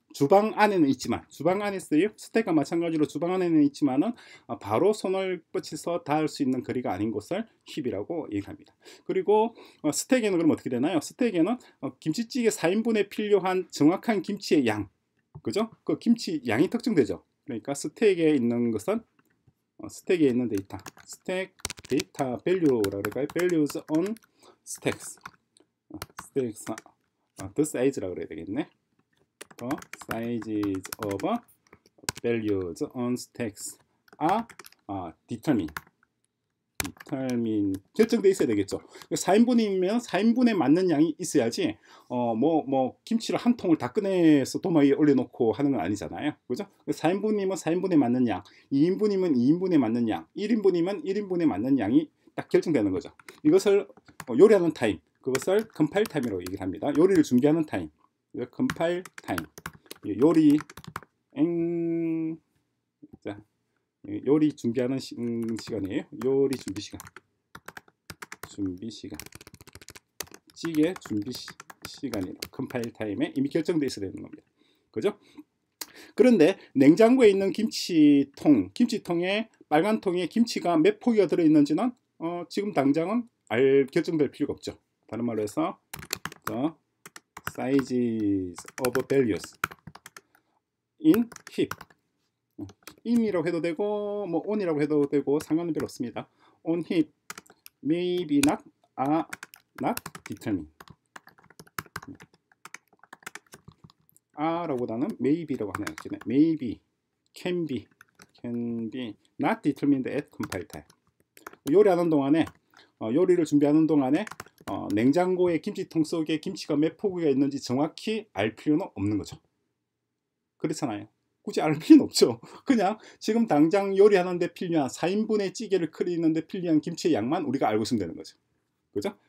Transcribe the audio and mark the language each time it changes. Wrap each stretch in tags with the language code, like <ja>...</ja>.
<ko>주방 안에는 있지만, 주방 안에 있어요. 스택과 마찬가지로 주방 안에는 있지만은 바로 손을 뻗쳐서 닿을 수 있는 거리가 아닌 곳을 힙이라고 얘기합니다. 그리고 스택에는 그럼 어떻게 되나요? 스택에는 김치찌개 4인분에 필요한 정확한 김치의 양, 그죠? 그 김치 양이 특정되죠. 그러니까 스택에 있는 것은 스택에 있는 데이터, 스택 데이터 밸류라고 할까요?</ko> <en>values on stacks, stacks the size</en> <ko>라고 해야 되겠네.</ko> <en>The sizes of values on stacks are determined.</en> <ko>결정돼 있어야 되겠죠. 4인분이면 4인분에 맞는 양이 있어야지. 김치를 한 통을 다 꺼내서 도마 위에 올려놓고 하는 건 아니잖아요. 그죠? 4인분이면 4인분에 맞는 양, 2인분이면 2인분에 맞는 양, 1인분이면 1인분에 맞는 양이 딱 결정되는 거죠. 이것을 요리하는 타임, 그것을 컴파일 타임이라고 얘기를 합니다. 요리를 준비하는 타임, 컴파일 타임. 요리 엥. 자. 요리 준비하는 시간이에요. 요리 준비 시간. 준비 시간. 찌개 준비 시간이에요. 컴파일 타임에 이미 결정되어 있어야 되는 겁니다. 그죠? 그런데 냉장고에 있는 김치통에 빨간 통에 김치가 몇 포기가 들어있는지는 지금 당장은 결정될 필요가 없죠. 다른 말로 해서</ko> <en>the sizes of values in heap.</en> <ko>in이라고 해도 되고 뭐 on이라고 해도 되고 상관은 별로 없습니다.</ko> <en>on heap maybe not are not determined.</en> <ko>are라고보다는 maybe라고 하네요.</ko> <en>maybe can be not determined at compile time.</en> <ko>요리하는 동안에 요리를 준비하는 동안에 냉장고에 김치통 속에 김치가 몇 포기가 있는지 정확히 알 필요는 없는 거죠. 그렇잖아요. 굳이 알 필요는 없죠. 그냥 지금 당장 요리하는 데 필요한 4인분의 찌개를 끓이는 데 필요한 김치의 양만 우리가 알고 있으면 되는 거죠. 그죠?</ko>